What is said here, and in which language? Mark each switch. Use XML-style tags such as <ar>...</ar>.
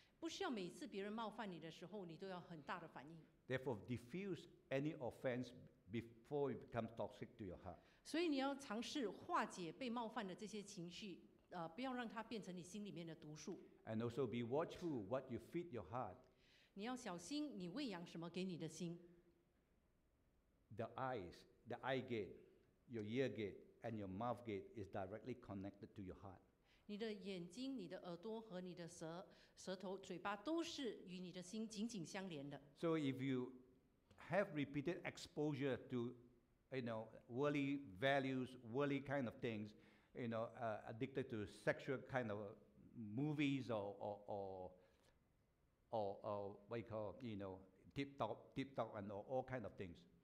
<zh>不需要每次别人冒犯你的时候，你都要很大的反应。</zh> <en>Therefore, diffuse any offense before it becomes toxic to your heart.</en> <zh>所以你要尝试化解被冒犯的这些情绪。不要让它变成你心里面的毒素。</zh> <en>And also be watchful what you feed your heart.</en> <zh>你要小心你喂养什么给你的心。</zh> <en>The eyes, the eye gate, your ear gate, and your mouth gate is directly connected to your heart.</en> <zh>你的眼睛、你的耳朵和你的舌头、嘴巴都是与你的心紧紧相连的。</zh> <en>So if you have repeated exposure to, you know, worldly values, worldly kind of things. You know, addicted to sexual kind of movies or what you call, you know, TikTok and all kind of things.</en>